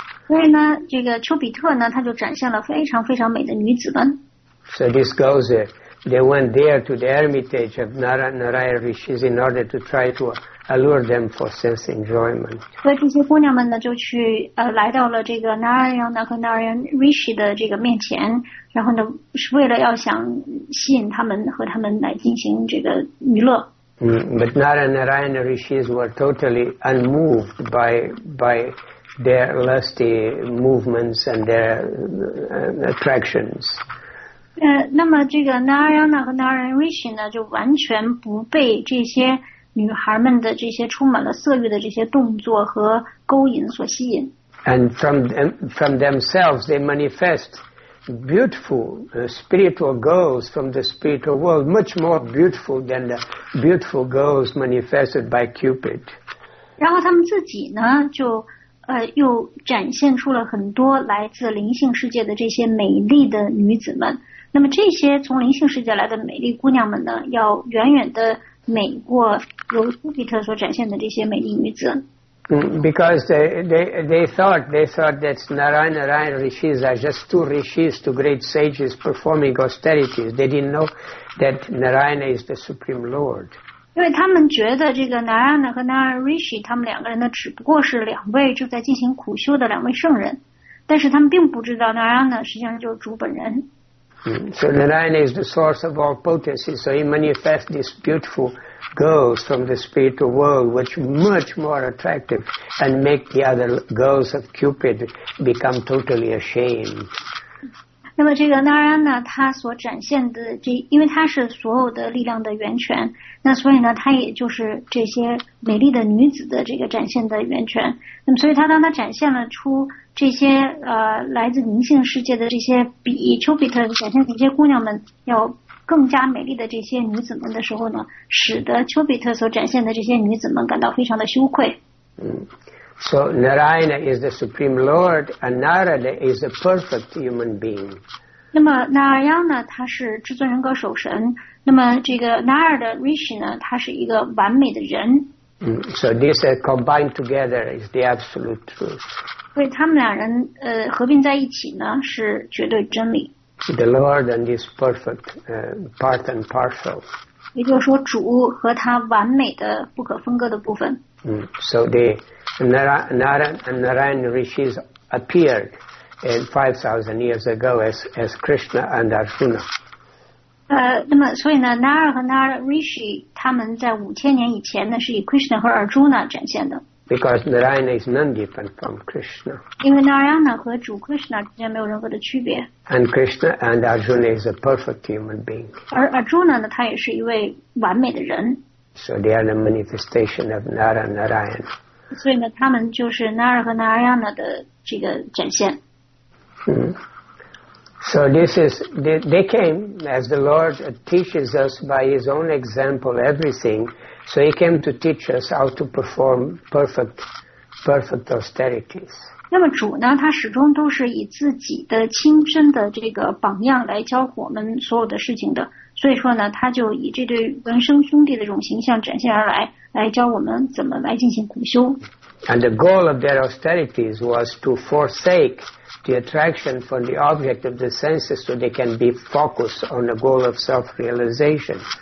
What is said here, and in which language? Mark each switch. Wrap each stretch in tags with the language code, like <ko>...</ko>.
<zh>所以呢，这个丘比特呢，他就展现了非常非常美的女子们。</zh> <en>So these girls, they went there to the hermitage of Narayana Rishis in order to try to allure them for sense enjoyment.</en> <zh>所以这些姑娘们呢，就去来到了这个 Narayana 和 Narayana Rishi 的这个面前。然后呢，是为了要想吸引他们和他们来进行这个娱乐。</zh> <en>But Narayana Rishis were totally unmoved by their lusty movements and their attractions.</en> <zh>那么这个 Narayana 和 Narayana Rishi 呢，就完全不被这些女孩们的这些充满了色欲的这些动作和勾引所吸引。</zh> <en>And from themselves, they manifest beautiful spiritual girls from the spiritual world, much more beautiful than the beautiful girls manifested by Cupid.</en> <zh>然后他们自己呢，就又展现出了很多来自灵性世界的这些美丽的女子们。那么这些从灵性世界来的美丽姑娘们呢，要远远的美过由丘比特所展现的这些美丽女子。</zh> <en>Because they thought that Narayana Rishis are just two Rishis, two great sages performing austerities. They didn't know that Narayana is the Supreme Lord.</en> <zh>因为他们觉得这个 Narayana 和 Narayana Rishi 他们两个人呢，只不过是两位正在进行苦修的两位圣人，但是他们并不知道 Narayana 实际上就是主本人。</zh> <en>So Narayana is the source of all potency, so he manifests this beautiful girls from the spiritual world, which are much more attractive and make the other girls of Cupid become totally ashamed.</en> <zh>那么这个 Narayana 他所展现的这，因为他是所有的力量的源泉，那所以呢，他也就是这些美丽的女子的这个展现的源泉。那么所以他当他展现了出这些来自灵性世界的这些比丘比特展现的一些姑娘们要更加美丽的这些女子们的时候呢，使得丘比特所展现的这些女子们感到非常的羞愧。</zh> <en>So Narayana is the Supreme Lord, and Narada is a perfect human being.</en> <zh>那么 Narayana 他是至尊人格守神，那么这个 Narada Rishi 呢，他是一个完美的人。</zh> <en>So these combined together is the absolute truth.</en> <zh>所以他们两人合并在一起呢，是绝对真理。</zh> <en>The Lord and His perfect part and partial.</en> <zh>也就是说，主和他完美的不可分割的部分。</zh> <en>So the Narayana Rishis appeared 5,000 years ago as Krishna and Arjuna.</en> <zh>那么所以呢 ，Nara 和 Nara Rishi 他们在5000年以前呢，是以 Krishna 和 Arjuna 展现的。</zh> <en>Because Narayana is none different from Krishna.</en> <zh>因为 Narayana 和主 Krishna 之间没有任何的区别。</zh> <en>And Krishna and Arjuna is a perfect human being.</en> <zh>而 Arjuna 呢，他也是一位完美的人。</zh> <en>So they are the manifestation of Nara and Narayana.</en> <zh>所以呢，他们就是 Nara 和 Narayana 的这个展现。</zh> <en>So this is, they came, as the Lord teaches us by His own example everything, so He came to teach us how to perform perfect austerities.</en> <zh>那么主呢，他始终都是以自己的亲身的这个榜样来教我们所有的事情的。所以说呢，他就以这对孪生兄弟的这种形象展现而来，来教我们怎么来进行苦修。</zh> <en>And the goal of their austerities was to forsake the attraction for the object of the senses so they can be focused on the goal of self-realization.</en>